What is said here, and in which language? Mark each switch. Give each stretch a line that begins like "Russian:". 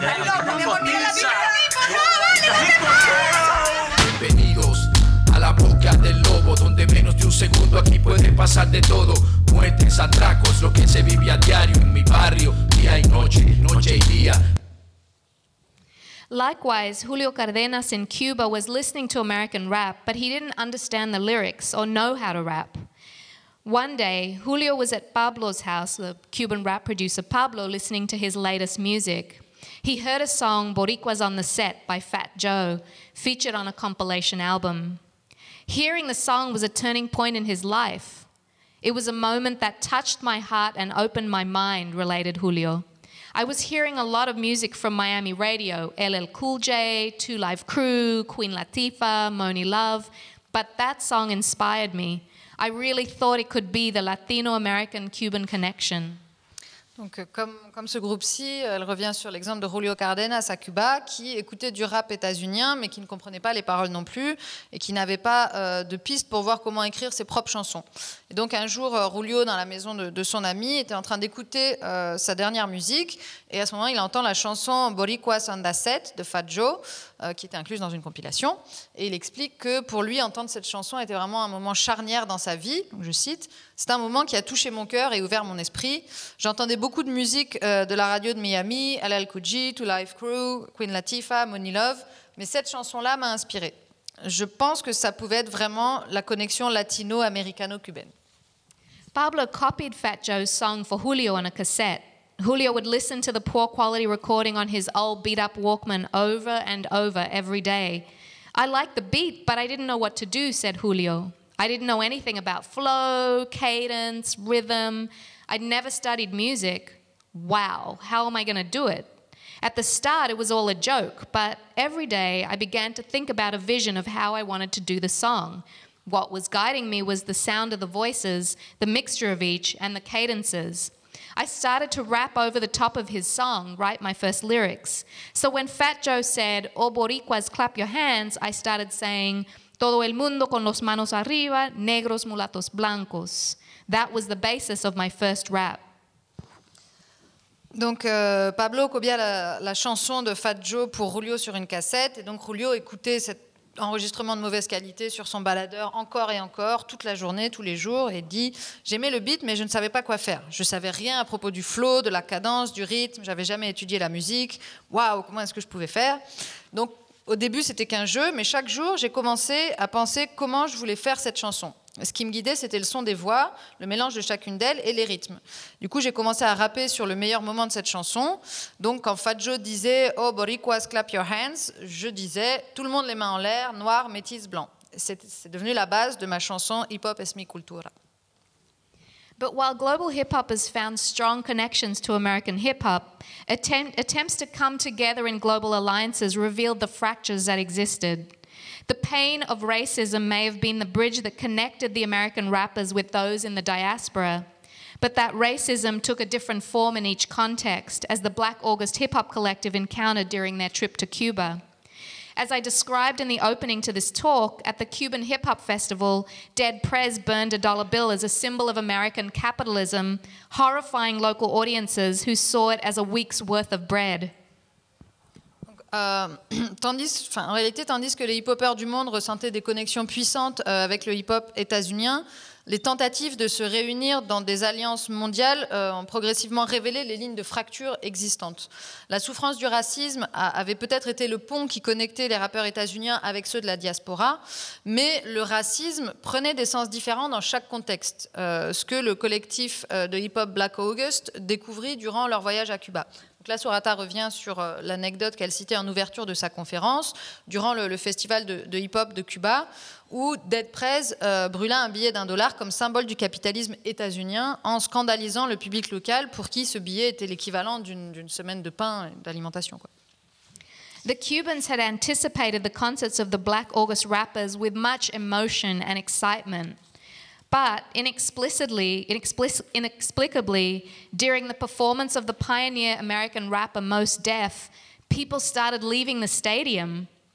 Spanish: ¡Ay, no, no, no, no, no, no, no, no, no, bienvenidos a la boca del lobo, donde menos de un segundo aquí puede pasar de todo. Muertes, atracos, lo que se vive a diario en mi barrio, día y noche, noche y día.
English: Likewise, Julio Cardenas in Cuba was listening to American rap, but he didn't understand the lyrics or know how to rap. One day, Julio was at Pablo's house, the Cuban rap producer Pablo, listening to his latest music. He heard a song, Boricuas on the Set, by Fat Joe, featured on a compilation album. Hearing the song was a turning point in his life. It was a moment that touched my heart and opened my mind, related Julio. I was hearing a lot of music from Miami radio, LL Cool J, Two Live Crew, Queen Latifah, Moni Love, but that song inspired me. I really thought it could be the Latino-American-Cuban connection.
French: Donc, comme ce groupe-ci, elle revient sur l'exemple de Julio Cardenas à Cuba, qui écoutait du rap états-unien, mais qui ne comprenait pas les paroles non plus, et qui n'avait pas de piste pour voir comment écrire ses propres chansons. Et donc, un jour, Julio, dans la maison de son ami, était en train d'écouter sa dernière musique, et à ce moment, il entend la chanson Boricuas on the Set de Fat Joe, qui était incluse dans une compilation, et il explique que pour lui, entendre cette chanson était vraiment un moment charnière dans sa vie, je cite. C'est un moment qui a touché mon cœur et ouvert mon esprit. J'entendais beaucoup de musique de la radio de Miami, LL Cool J, Two Live Crew, Queen Latifah, Moni Love, mais cette chanson-là m'a inspirée. Je pense que ça pouvait être vraiment la connexion latino-américano-cubaine.
English: Pablo copied Fat Joe's song for Julio on a cassette. Julio would listen to the poor quality recording on his old beat-up Walkman over and over every day. I liked the beat, but I didn't know what to do, said Julio. I didn't know anything about flow, cadence, rhythm. I'd never studied music. Wow, how am I going to do it? At the start, it was all a joke, but every day I began to think about a vision of how I wanted to do the song. What was guiding me was the sound of the voices, the mixture of each, and the cadences. I started to rap over the top of his song, write my first lyrics. So when Fat Joe said, "O boricuas, clap your hands," I started saying,
Spanish: "Todo el mundo con los manos arriba, negros, mulatos, blancos."
English: That was the basis of my first rap.
French: Donc Pablo copia la chanson de Fat Joe pour Julio sur une cassette, et donc Julio écoutait cet enregistrement de mauvaise qualité sur son baladeur encore et encore, toute la journée, tous les jours, et dit: j'aimais le beat, mais je ne savais pas quoi faire. Je savais rien à propos du flow, de la cadence, du rythme, j'avais jamais étudié la musique. Waouh, comment est-ce que je pouvais faire? Donc au début, c'était qu'un jeu, mais chaque jour, j'ai commencé à penser comment je voulais faire cette chanson. Ce qui me guidait, c'était le son des voix, le mélange de chacune d'elles et les rythmes. Du coup, j'ai commencé à rapper sur le meilleur moment de cette chanson. Donc, quand Fat Joe disait « Oh, boricuas,
English: clap your hands
French: », je disais « Tout le monde les mains en l'air, noir, métis, blanc ». C'est devenu la base de ma chanson « Hip-hop es mi cultura ».
English: But while global hip-hop has found strong connections to American hip-hop, attempts to come together in global alliances revealed the fractures that existed. The pain of racism may have been the bridge that connected the American rappers with those in the diaspora, but that racism took a different form in each context, as the Black August Hip-Hop Collective encountered during their trip to Cuba. As I described in the opening to this talk, at the Cuban Hip Hop Festival, Dead Prez burned a dollar bill as a symbol of American capitalism, horrifying local audiences who saw it as a week's worth of bread.
French: Tandis que les hip-hoppers du monde ressentaient des connexions puissantes avec le hip-hop états-unien, les tentatives de se réunir dans des alliances mondiales ont progressivement révélé les lignes de fracture existantes. La souffrance du racisme avait peut-être été le pont qui connectait les rappeurs états-uniens avec ceux de la diaspora, mais le racisme prenait des sens différents dans chaque contexte, ce que le collectif de hip-hop Black August découvrit durant leur voyage à Cuba. Donc là, Sorata revient sur l'anecdote qu'elle citait en ouverture de sa conférence durant le festival de hip-hop de Cuba, où Dead Prez brûla un billet $1 comme symbole du capitalisme états-unien en scandalisant le public local pour qui ce billet était l'équivalent d'une semaine de pain et d'alimentation, quoi.
English: The Cubans had anticipated the concerts of the Black August rappers with much emotion and excitement. But inexplicably, during the performance of the pioneer American rapper Mos Def, people started leaving the stadium.